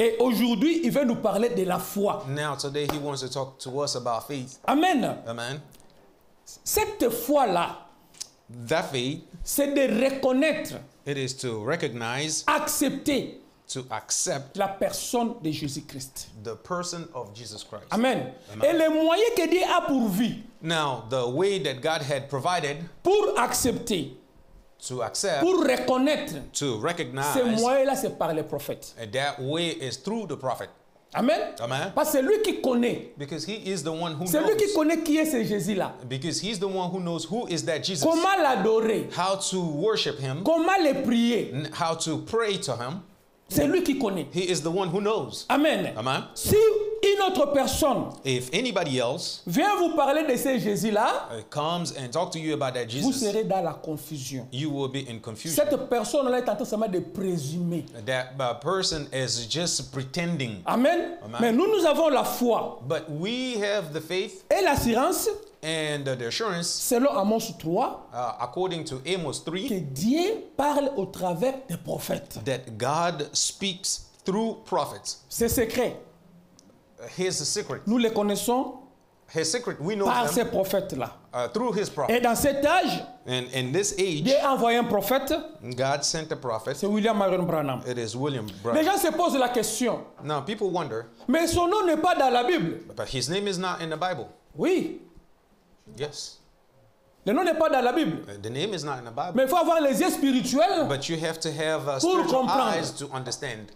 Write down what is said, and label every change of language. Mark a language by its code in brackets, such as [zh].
[fr] Et aujourd'hui, il veut nous parler de la foi. [en] Now, today he wants to talk to us about faith. [fr] Amen. [en] Amen. [fr] Cette foi-là, [en] that faith, [fr] c'est de reconnaître, [en] it is to recognize, [fr] accepter, [en] to accept [fr] la personne de Jésus-Christ. [en] The person of Jesus Christ. [fr] Amen. Amen. Et les moyens que Dieu a pourvu. [en] Now, the way that God had provided [fr] pour accepter, [en] to accept, [fr] pour reconnaître, [en] to recognize, [fr] ces moyens-là, c'est par les prophètes. [en] And that way is through the prophet. [fr] Amen. [en] Amen. [fr] Parce que c'est lui qui connaît. [en] Because he is the one who [fr] c'est [en] knows. [fr] Lui qui connaît qui est ce Jésus-là. [en] Because he's the one who knows who is that Jesus. [fr] Comment l'adorer. [en] How to worship him. [fr] Comment le prier. [en] How to pray to him. [fr] C'est lui qui connaît. [en] He is the one who knows. [fr] Amen. [en] Amen. [fr] Si une autre personne, [en] if anybody else, [fr] vient vous parler de ce Jésus-là, [en] comes and talk to you about that Jesus, [fr] vous serez dans la confusion. [en] You will be in confusion. [fr] Cette personne-là est en train seulement de présumer. [en] That person is just pretending. [fr] Amen. [en] Amen. [fr] Mais nous avons la foi. [en] But we have the faith. [fr] Et l'assurance. [en] And the assurance, [fr] selon Amos 3, [en] according to Amos 3, [fr] que Dieu parle au travers des prophètes. [en] That God speaks through prophets. [fr] Ses secrets. [en] His secret. [fr] Nous les connaissons. [en] His secret, we know [fr] par [en] them, [fr] ces prophètes là. [en] Through his prophet. [fr] Et dans cet âge, [en] and in this age, [fr] Dieu a envoyé un prophète. [en] God sent a prophet. [fr] C'est William Aaron Branham. [en] It is William Branham. [fr] Les gens se posent la question. [en] Now people wonder. [fr] Mais son nom n'est pas dans la Bible. [en] But his name is not in the Bible. [fr] Oui. [en] Yes. [fr] Le nom n'est pas dans la Bible. [en] The name is not in the Bible. [fr] Mais il faut avoir les yeux spirituels. [en] But you have to have spiritual eyes to understand.